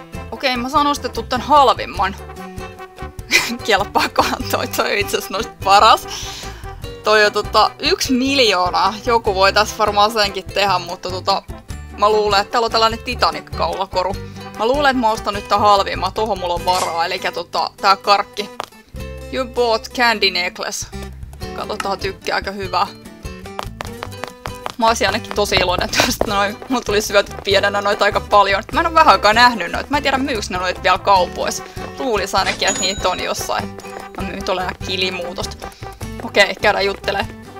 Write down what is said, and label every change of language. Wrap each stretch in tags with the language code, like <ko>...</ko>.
<fi>Okei, mä saan ostettu tän halvimman. Kelpaakohan toi, toi itse asiassa noista paras. Toi on 1 000 000. Joku voi tässä varmaan senkin tehdä, mutta mä luulen, että täällä on tällainen Titanic-kaulakoru. Mä luulen, että mä ostan nyt tän halvimman. Tohon mulla on varaa, eli tää karkki.</fi> <en>You bought candy necklace.</en> <fi>Katsotaan, tykkääkö hyvää. Mä olisin ainakin tosi iloinen tästä noin. Mulla tuli syöty pienenä noita aika paljon. Mä en oo vähän aikaa nähnyt noita. Mä en tiedä, myyks ne noit vielä kaupoissa. Luulis ainakin, että niitä on jossain. Mä myyn tuolle kilimuutosta. Okei, käydään juttelemaan.</fi>